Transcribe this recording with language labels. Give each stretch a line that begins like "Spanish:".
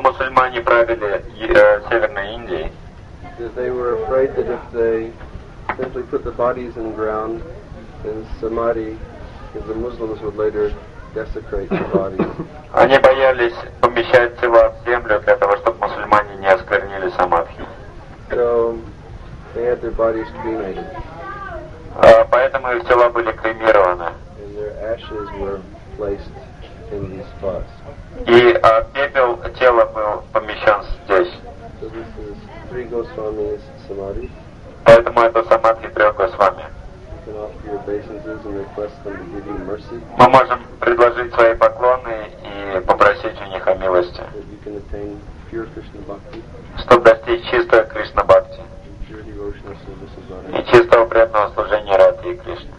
Russian: мусульмане правили Северной Индией,
English: they were afraid that if they simply put the bodies in ground in Samadhi, the Muslims would later desecrate the bodies.
Russian: Они боялись помещать тела в землю для того, чтобы мусульмане не осквернили Самадхи.
English: So they had their bodies cremated.
Russian: Поэтому их тела были кремированы.
English: Their ashes were placed in these spots.
Russian: И пепел тела был помещен здесь.
English: So this is Три Госвами's Samadhi.
Russian: Поэтому это Самадхи Трёх Госвами.
English: You can offer your obeisances and request them to give you mercy.
Russian: Мы можем предложить свои поклоны и попросить у них о милости.
English: That you can attain pure Krishna Bhakti.
Russian: Чтобы достичь чистого Кришна Бхакти. И чистого преданного служения Радхе и Кришне.